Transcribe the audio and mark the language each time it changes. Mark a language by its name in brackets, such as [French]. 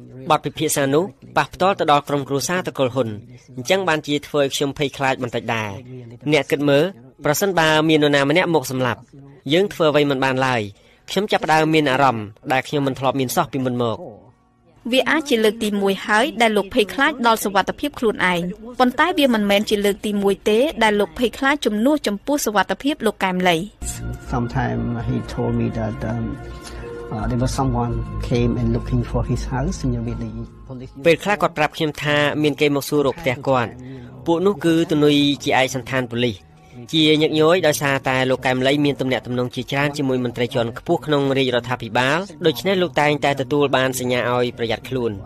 [Khmer] បាត់ពិភាក្សានោះប៉ះផ្ទាល់ទៅដល់ក្រុមគ្រួសារតកុលហ៊ុនអញ្ចឹងបានជាធ្វើឲ្យខ្ញុំភ័យខ្លាចបន្តិចដែរអ្នកគិតមើលប្រសិនបើមាននរណាម្នាក់មកសម្លាប់យើងធ្វើអ្វីមិនបានឡើយខ្ញុំចាប់ផ្ដើមមានអារម្មណ៍ដែលខ្ញុំមិនធ្លាប់មានសោះពីមុនមក វាអាចជាលើកទី1ហើយដែលលោកភ័យខ្លាចដល់សុវត្ថិភាពខ្លួនឯងប៉ុន្តែវាមិនមែនជាលើកទី1ទេដែលលោកភ័យខ្លាចជំនួសចំពោះសុវត្ថិភាពលោកកែមលី [English] Sometime he told me that there was someone came and looking for his house in Cambodia. [Khmer] ពេលខ្លះគាត់ប្រាប់ខ្ញុំថាមានគេមកសួររកផ្ទះគាត់ពួកនោះគឺទនុយជាឯកសណ្ឋានប៉ូលីសជាញឹកញយដោយសារតែលោកកែមលីមានទំនាក់ទំនងជាច្រើនជាមួយមន្ត្រីជាន់ខ្ពស់ក្នុងរាជរដ្ឋាភិបាលដូច្នេះលោកតែងតែទទួលបានសញ្ញាឲ្យប្រយ័ត្នខ្លួន